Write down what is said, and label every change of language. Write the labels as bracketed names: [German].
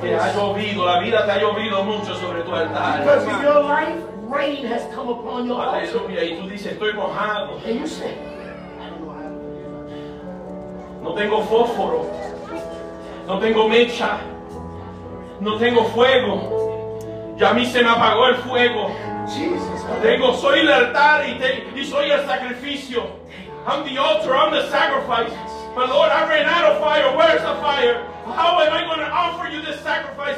[Spanish] Te ha llovido, la vida te ha llovido mucho sobre tu altar. [English] Because your life, rain has come upon your altar. [Spanish] Aleluya. Y tú dices, estoy mojado. [English] And you say, I don't know how. [Spanish] No tengo fósforo. No tengo mecha. No tengo fuego. Ya a mí se me apagó el fuego. [English] Jesus. [Spanish] Tengo, soy el altar y soy el sacrificio. [English] I'm the altar, I'm the sacrifice. But Lord, I ran out of fire. Where's the fire? How am I going to offer you this sacrifice?